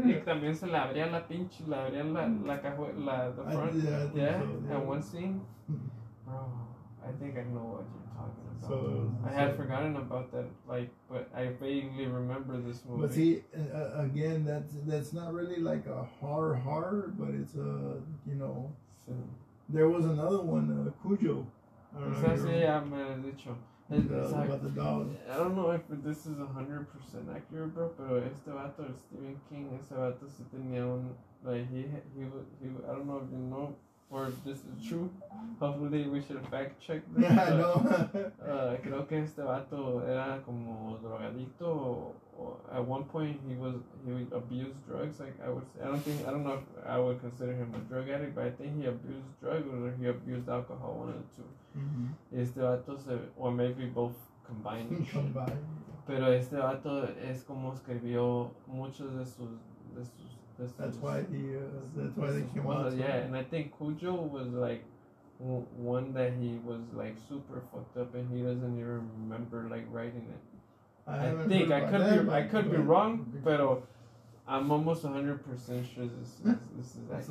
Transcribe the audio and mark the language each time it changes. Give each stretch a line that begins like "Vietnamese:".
Spanish: Y también se le abría la pinche, le abría la cajuela,
English: the front. I think so. One scene. Bro, I think I know what you're talking about. I had forgotten about that, like, but I vaguely remember this movie. But see, again, that's not really like a horror, but it's a, you know. So, there was another one, Cujo. I don't know if this is 100% accurate, bro,
Spanish: pero este vato,
English: Stephen King,
Spanish: ese vato se tenía un,
English: like, he I don't know if you know. Or if this is true, hopefully we should fact check this. Yeah, I know.
Spanish: creo que este vato era como drogadicto.
English: At one point, he abused drugs. Like I would say, I don't know if I would consider him a drug addict, but I think he abused drugs or he abused alcohol, one of the two. Mm-hmm.
Spanish: Este vato se,
English: or maybe both combined.
Spanish: Pero este vato es como escribió muchos de sus
English: That's why they came out. Yeah, and I think Cujo was like one that he was like super fucked up, and he doesn't even remember like writing it. I could be wrong, but I'm almost 100% sure this is